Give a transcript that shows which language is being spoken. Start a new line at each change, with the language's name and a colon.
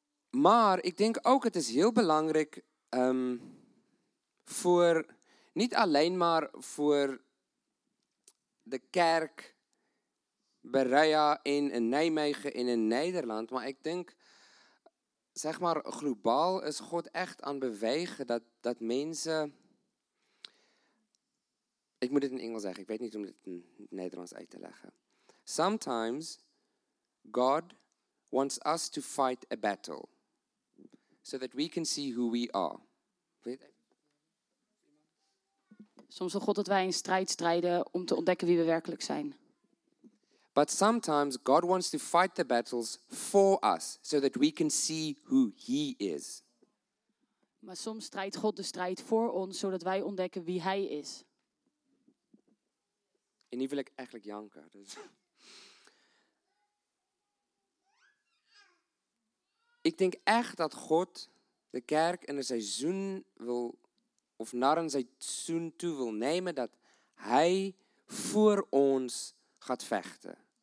Dutch: Maar, ik denk ook, het is heel belangrijk voor, niet alleen maar voor de kerk, Berea in Nijmegen en in Nederland, maar ik denk, zeg maar, globaal is God echt aan bewegen dat mensen, ik moet het in Engels zeggen, ik weet niet om het in het Nederlands uit te leggen.
English: Sometimes God wants us to fight a battle so that we can see who we are.
Dutch: Soms wil God dat wij in strijd strijden om te ontdekken wie we werkelijk zijn.
English: But sometimes God wants to fight the battles for us, so that we can see who He is.
Dutch: Maar soms strijdt God de strijd voor ons, zodat wij ontdekken wie Hij is. En hier wil ik eigenlijk janken. Dus. Ik denk echt dat God de kerk in een seizoen wil, of naar een seizoen toe wil nemen, dat Hij voor ons gaat vechten.